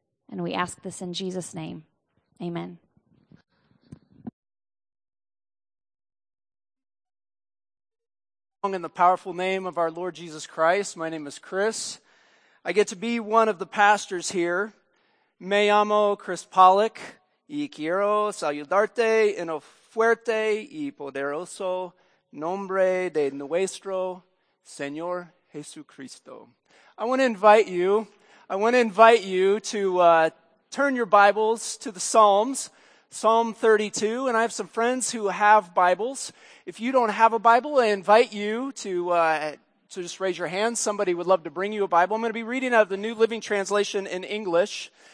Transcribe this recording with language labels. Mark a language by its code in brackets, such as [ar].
[en] And we ask this in Jesus' name. Amen. In the powerful name of our Lord Jesus Christ, my name is Chris. I get to be one of the pastors here. [es] Me llamo Chris Pollock. Y quiero saludarte en el fuerte y poderoso nombre de nuestro Señor Jesucristo. [en] I want to invite you to turn your Bibles to the Psalms, Psalm 32, and I have some friends who have Bibles. If you don't have a Bible, I invite you to just raise your hand. Somebody would love to bring you a Bible. I'm going to be reading out of the New Living Translation in English.